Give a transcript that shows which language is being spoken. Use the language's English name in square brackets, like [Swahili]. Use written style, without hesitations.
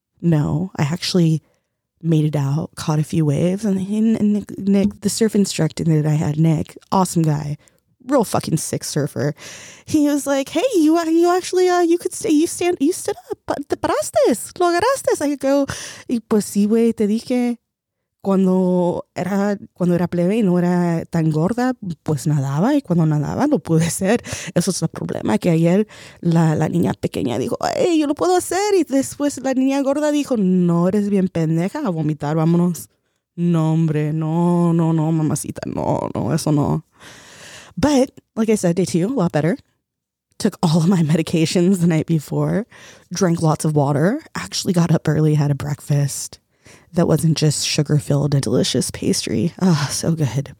[English] No, I actually made it out, caught a few waves. And Nick, the surf instructor that I had, Nick, awesome guy. Real fucking sick surfer. He was like, hey, you stood up, [Spanish] paraste, lograste. [English] I go, [Spanish] y pues sí, güey, te dije, cuando era plebe y no era tan gorda, pues nadaba, y cuando nadaba, no pude ser. Eso es el problema, que ayer la niña pequeña dijo, hey, yo lo puedo hacer, y después la niña gorda dijo, no, eres bien pendeja, a vomitar, vámonos. No, hombre, no, mamacita, no, eso no. [English] But like I said, day two, a lot better. Took all of my medications the night before, drank lots of water, actually got up early, had a breakfast that wasn't just sugar-filled and delicious pastry. Oh, so good.